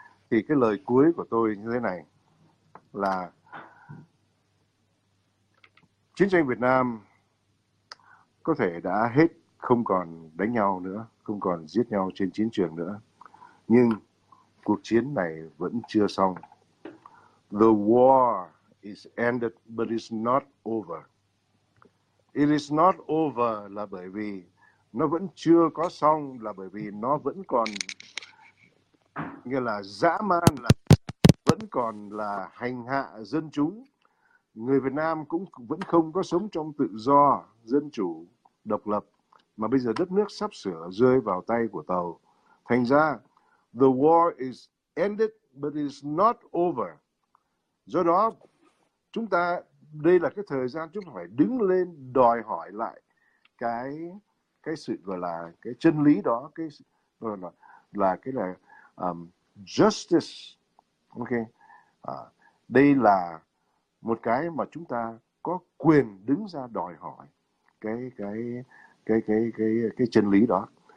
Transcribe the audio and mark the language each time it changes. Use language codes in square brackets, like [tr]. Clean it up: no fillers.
[vi] Thì cái lời cuối của tôi như thế này là chiến tranh Việt Nam có thể đã hết, không còn đánh nhau nữa, không còn giết nhau trên chiến trường nữa. Nhưng cuộc chiến này vẫn chưa xong. [en] The war is ended but it's not over. It is not over [vi] là bởi vì nó vẫn chưa có xong, là bởi vì nó vẫn còn nghĩa là dã man, là vẫn còn là hành hạ dân chúng. Người Việt Nam cũng vẫn không có sống trong tự do, dân chủ, độc lập, mà bây giờ đất nước sắp sửa rơi vào tay của Tàu. Thành ra, [en] the war is ended but it's not over. [vi] Do đó, chúng ta, đây là cái thời gian chúng ta phải đứng lên đòi hỏi lại cái sự gọi là cái chân lý đó, cái gọi là cái là justice, ok, đây là một cái mà chúng ta có quyền đứng ra đòi hỏi cái chân lý đó.